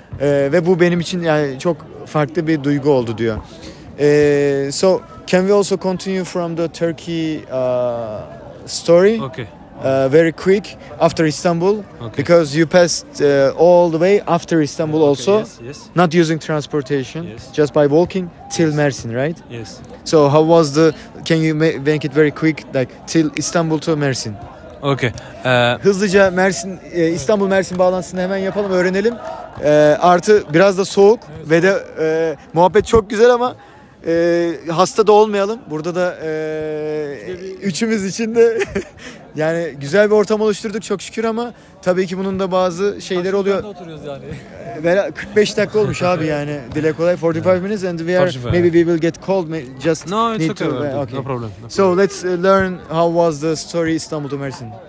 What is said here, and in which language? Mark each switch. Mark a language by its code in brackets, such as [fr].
[tr] Ve bu benim için yani çok farklı bir duygu oldu diyor. [en] So can we also continue from the Turkey story? Okay. Very quick after Istanbul, okay. Because you passed all the way after Istanbul, okay, also, yes. Not using transportation, yes. Just by walking till, yes. Mersin, right? Yes. So how was the? Can you make it very quick, like till Istanbul to Mersin? Okay. [tr] Hızlıca Mersin, İstanbul Mersin bağlantısını hemen yapalım, öğrenelim. Artı biraz da soğuk, evet. Ve de muhabbet çok güzel ama. Hasta da olmayalım. Burada da üçümüz için de yani güzel bir ortam oluşturduk çok şükür ama tabii ki bunun da bazı şeyleri oluyor. Kaç dakika oturuyoruz yani? 45 dakika olmuş abi yani. Dile kolay. [en] 45 minutes and we are maybe we will get cold. Just no, it's need okay, to, okay. Okay. No problem. So let's learn how was the story Istanbul to Mersin.